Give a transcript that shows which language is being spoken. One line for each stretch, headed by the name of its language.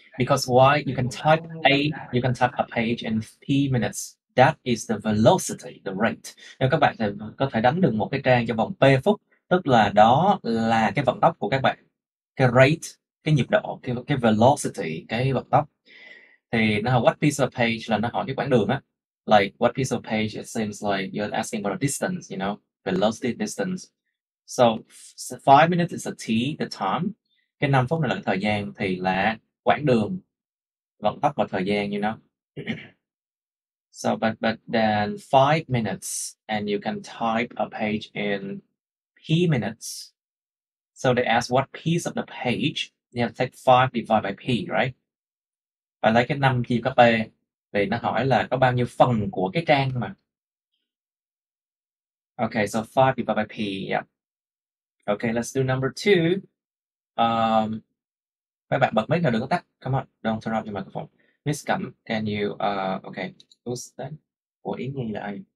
English: Because why you can type A, you can type a page in 3 minutes. That is the velocity, the rate.
Vietnamese: Nếu các bạn có thể đánh được một cái trang trong vòng p phút, tức là đó là cái vận tốc của các bạn, cái rate, cái nhịp độ, cái velocity, cái vận tốc. Thì nó hỏi
English: what piece of page,
Vietnamese: là nó hỏi cái quãng đường á.
English: Like what piece of page, it seems like you're asking about a distance, velocity distance. So 5 minutes is a t, the time.
Vietnamese: Cái 5 phút này là thời gian, thì là quãng đường, vận tốc và thời gian,
English: So, but then 5 minutes, and you can type a page in p minutes. So they ask what piece of the page. You have to take 5 divided by p, right?
Vietnamese: Và lấy cái 5 chia cho p, thì nó hỏi là có bao nhiêu phần của cái trang mà.
English: Okay, so 5 divided by p, yeah. Okay, let's do number 2.
Vietnamese: Mấy bạn bật mic nào, đừng có tắt.
English: Come on, don't turn off your microphone. Miss Cẩm, can you, okay, who's that?
Vietnamese: Ủa, ý nghĩ là ai?